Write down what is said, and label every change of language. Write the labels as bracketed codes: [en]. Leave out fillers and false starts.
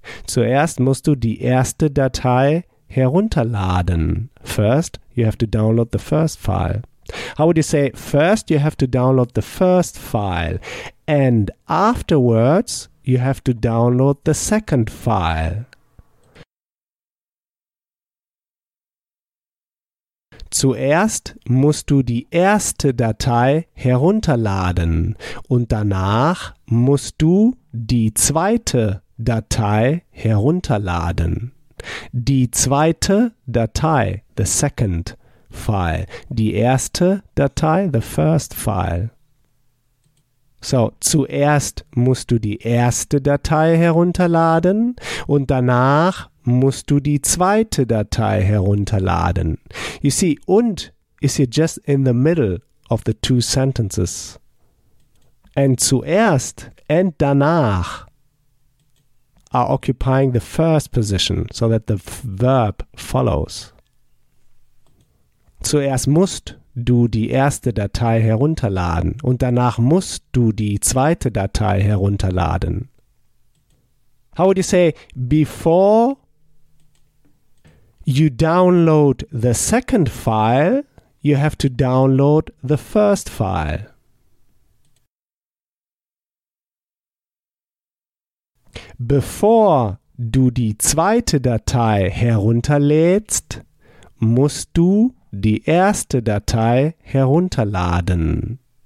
[de] Zuerst musst du die erste Datei herunterladen. [en] First, you have to download the first file. How would you say, first you have to download the first file and afterwards you have to download the second file? [de] Zuerst musst du die erste Datei herunterladen und danach musst du die zweite Datei herunterladen. Die zweite Datei, the second file. Die erste Datei, the first file. So, zuerst musst du die erste Datei herunterladen und danach musst du die zweite Datei herunterladen. [en] You see, und is here just in the middle of the two sentences. And zuerst and danach are occupying the first position so that the verb follows. [de] Zuerst musst du die erste Datei herunterladen und danach musst du die zweite Datei herunterladen. [en] How would you say, before you download the second file, you have to download the first file? [de] Bevor du die zweite Datei herunterlädst, musst du die erste Datei herunterladen.